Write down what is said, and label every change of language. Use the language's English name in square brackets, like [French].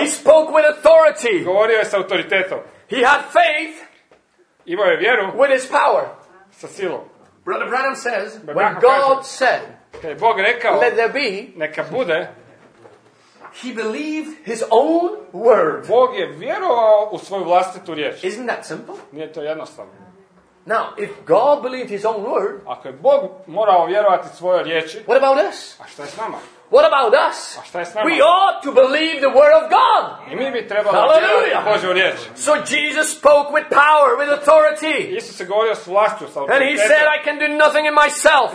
[English] He spoke with authority. [Croatian] Govorio je sa autoritetom. [English] He had faith. [Croatian] Imao je vjeru. [English] With his power. [Croatian] Sa silom. [English] Brother Branham says, when God said. [Croatian] Kad je Bog rekao. [English] Let there be. [Croatian] Neka bude. [English] He believed his own word. [Croatian] Bog je vjerovao u svoju vlastitu riječ. [English] Isn't that simple? [Croatian] Nije to jednostavno. [English] Now, if God believed his own word, [Croatian] ako je Bog morao vjerovati svojoj riječi, [English] what about us? [Croatian] A šta je s nama? [English] What about us? [Croatian] A šta je s nama? [English] We ought to believe the word of God. [Croatian] I mi bi trebalo vjerovati Božju riječ. [English] So Jesus spoke with power, with authority. [Croatian] Isus je govorio s vlašću, s autoritetom. [English] And he said, I can do nothing in myself.